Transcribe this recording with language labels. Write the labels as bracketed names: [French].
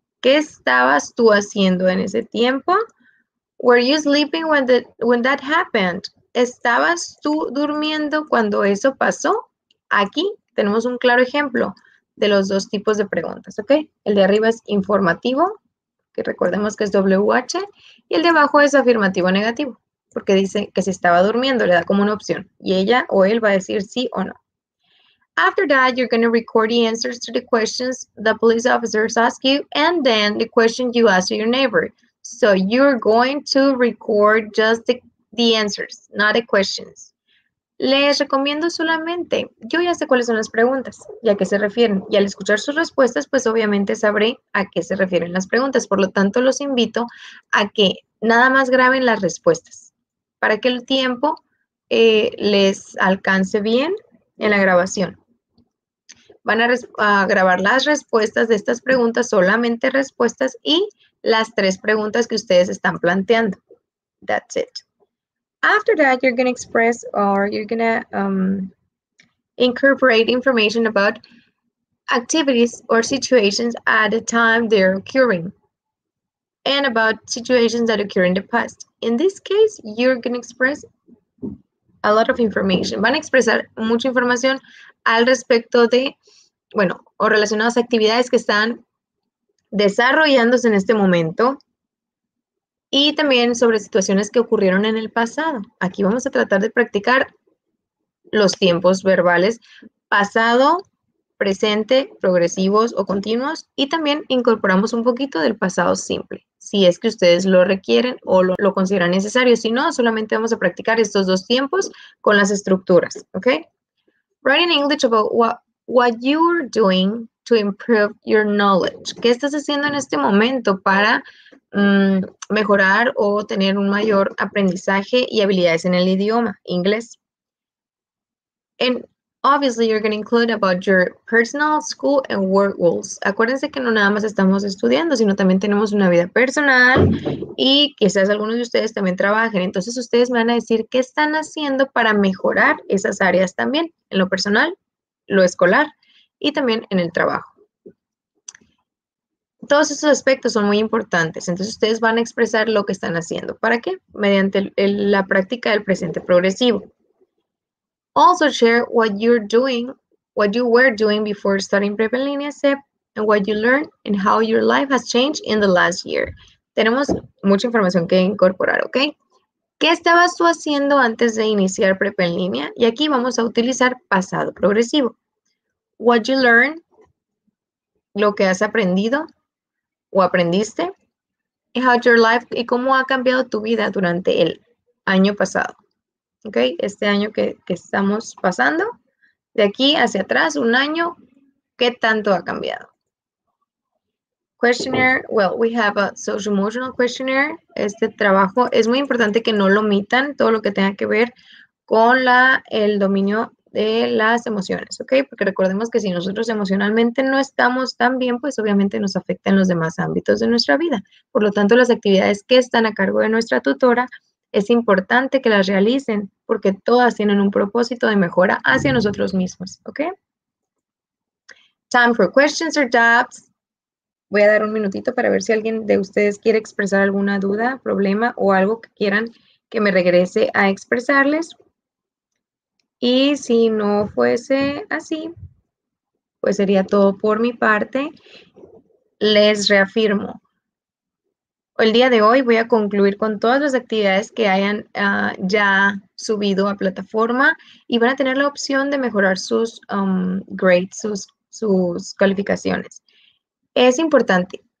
[Spanish] ¿Qué estabas tú haciendo en ese tiempo? [English] Were you sleeping when that happened? [Spanish] ¿Estabas tú durmiendo cuando eso pasó? Aquí tenemos un claro ejemplo de los dos tipos de preguntas, ¿ok? El de arriba es informativo, que recordemos que es WH, y el de abajo es afirmativo o negativo, porque dice que se estaba durmiendo, le da como una opción, y ella o él va a decir sí o no. [English] After that, you're going to record the answers to the questions the police officers ask you, and then the question you ask your neighbor. So you're going to record just the answers, not the questions. [Spanish] Les recomiendo solamente, yo ya sé cuáles son las preguntas y a qué se refieren. Y al escuchar sus respuestas, pues obviamente sabré a qué se refieren las preguntas. Por lo tanto, los invito a que nada más graben las respuestas para que el tiempo les alcance bien en la grabación. Van a grabar las respuestas de estas preguntas, solamente respuestas y las tres preguntas que ustedes están planteando. [English] That's it. After that, you're going to express or you're going to incorporate information about activities or situations at the time they're occurring and about situations that occur in the past. In this case, you're going to express a lot of information. [Spanish] Van a expresar mucha información al respecto de, bueno, o relacionadas a actividades que están desarrollándose en este momento. Y también sobre situaciones que ocurrieron en el pasado. Aquí vamos a tratar de practicar los tiempos verbales pasado, presente, progresivos o continuos. Y también incorporamos un poquito del pasado simple, si es que ustedes lo requieren o lo consideran necesario. Si no, solamente vamos a practicar estos dos tiempos con las estructuras. [English] Okay? Write in English about what you're doing to improve your knowledge. [Spanish] ¿Qué estás haciendo en este momento para mejorar o tener un mayor aprendizaje y habilidades en el idioma inglés? [English] And obviously you're going to include about your personal school and work goals. [Spanish] Acuérdense que no nada más estamos estudiando, sino también tenemos una vida personal y quizás algunos de ustedes también trabajen. Entonces ustedes me van a decir qué están haciendo para mejorar esas áreas también, en lo personal, lo escolar y también en el trabajo. Todos esos aspectos son muy importantes. Entonces, ustedes van a expresar lo que están haciendo. ¿Para qué? Mediante la práctica del presente progresivo. [English] Also share what you're doing, what you were doing before starting prep en línea CEP, and what you learned and how your life has changed in the last year. [Spanish] Tenemos mucha información que incorporar, ¿ok? ¿Qué estabas tú haciendo antes de iniciar prep en línea? Y aquí vamos a utilizar pasado progresivo. [English] What you learned, [Spanish] lo que has aprendido, o aprendiste, [English] how's your life, [Spanish] y cómo ha cambiado tu vida durante el año pasado, ¿ok? Este año que estamos pasando, de aquí hacia atrás, un año, ¿qué tanto ha cambiado? [English] Questionnaire, well, we have a social emotional questionnaire. [Spanish] Este trabajo es muy importante que no lo omitan, todo lo que tenga que ver con el dominio de las emociones, ¿ok? Porque recordemos que si nosotros emocionalmente no estamos tan bien, pues obviamente nos afecta en los demás ámbitos de nuestra vida. Por lo tanto, las actividades que están a cargo de nuestra tutora, es importante que las realicen porque todas tienen un propósito de mejora hacia nosotros mismos, ¿ok? [English] Time for questions or doubts. [Spanish] Voy a dar un minutito para ver si alguien de ustedes quiere expresar alguna duda, problema o algo que quieran que me regrese a expresarles. Y si no fuese así, pues sería todo por mi parte. Les reafirmo. El día de hoy voy a concluir con todas las actividades que hayan ya subido a plataforma y van a tener la opción de mejorar sus grades, sus calificaciones. Es importante.